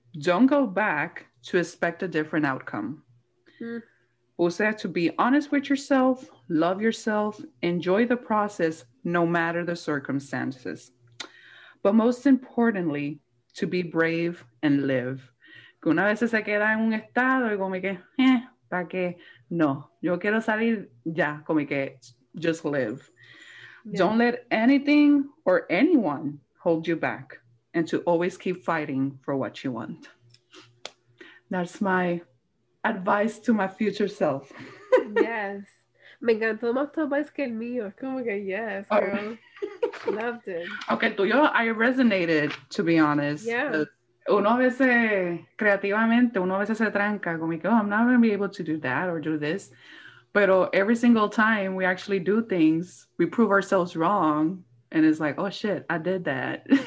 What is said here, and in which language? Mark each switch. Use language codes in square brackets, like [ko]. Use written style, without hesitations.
[en] Don't go back to expect a different outcome. Puse to be honest with yourself, love yourself, enjoy the process, no matter the circumstances. But most importantly, to be brave and live. [es] Que una vez se queda en un estado y como que, ¿para qué? No, yo quiero salir ya, como que, [en] just live. Yeah. Don't let anything or anyone hold you back, and to always keep fighting for what you want. That's my advice to my future self. Yes. [es] Me encantó más tu advice que el mío. Como que [en] yes, girl. Oh. Loved it. Okay, tuyo, I resonated, to be honest. Yeah. [es] Uno a veces, creativamente, uno a veces se tranca. Como que, [en] oh, I'm not going to be able to do that or do this. But every single time we actually do things, we prove ourselves wrong. And it's like, oh, shit, I did that.